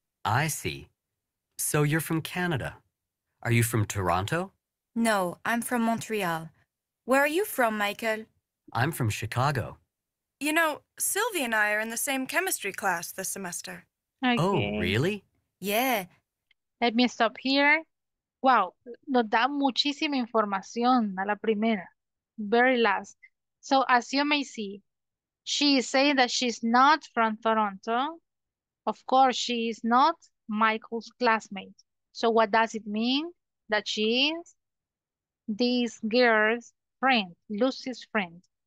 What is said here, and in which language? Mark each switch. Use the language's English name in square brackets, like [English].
[English] I see. So you're from Canada. Are you from Toronto? No, I'm from Montreal. Where are you from, Michael? I'm from Chicago. You know, Sylvie and I are in the same chemistry class this semester. Okay. Oh, really? Yeah. Let me stop here. [Spanish] Wow, nos da muchísima información a la primera. [English] Very last. So as you may see, she is saying that she's not from Toronto. Of course, she is not Michael's classmate. So what does it mean? That she is this girl's friend, Lucy's friend.